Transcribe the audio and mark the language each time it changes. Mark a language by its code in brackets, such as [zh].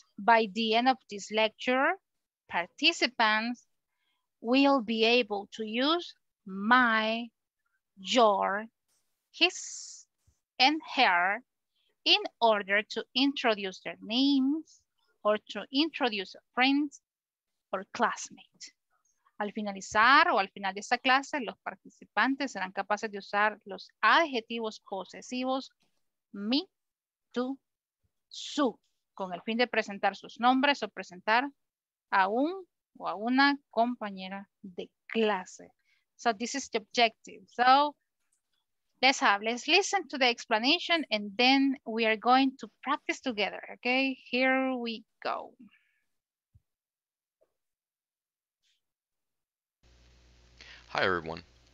[en] By the end of this lecture, participants will be able to use my, your, his, and her in order to introduce their names or to introduce a friend or classmate. [es] Al finalizar o al final de esta clase, los participantes serán capaces de usar los adjetivos posesivos me, tú, su, con el fin de presentar sus nombres o presentar a un o a una compañera de clase. [en] So this is the objective. So let's have, let's listen to the explanation and then we are going to practice together, okay? Here we go. Hi everyone.